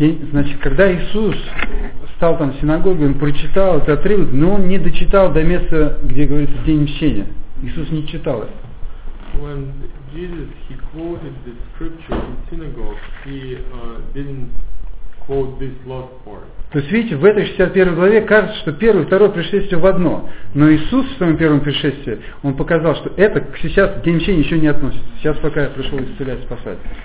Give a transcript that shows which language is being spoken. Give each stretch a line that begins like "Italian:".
Russian: Значит, когда Иисус стал там в синагоге, он прочитал этот отрывок, но он не дочитал до места, где говорится «день мщения». Иисус не читал это.
English: When Jesus, he quoted the scripture in synagogue, he didn't quote this last part.
Russian: То есть, видите, в этой 61 главе кажется, что первое и второе пришествие в одно. Но Иисус в своем первом пришествии, он показал, что это сейчас к день мщения еще не относится. Сейчас пока я пришел исцелять, спасать.